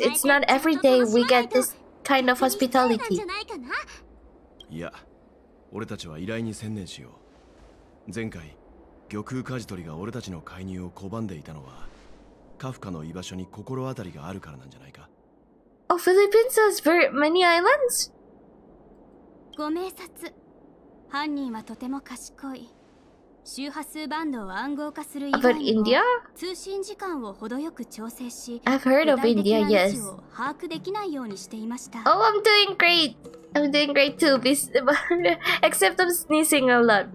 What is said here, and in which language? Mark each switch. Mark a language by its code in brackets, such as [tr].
[en] It's not every day we get this kind of hospitality. [ja] いや、俺たちは依頼に専念しよう。前回、玉空舵取りが俺たちの介入を拒んでいたのは、カフカの居場所に心当たりがあるからなんじゃないか。 [en] Oh, Philippines has very many islands? [ja] ご明察。犯人はとても賢い。周波数バンドを暗号化する以外にも、通信時間を程よく調整し、 [en] I've heard of India, yes. [ja] 把握できないようにしていました。 [en] Oh, I'm doing great! I'm doing great too, except I'm sneezing a lot.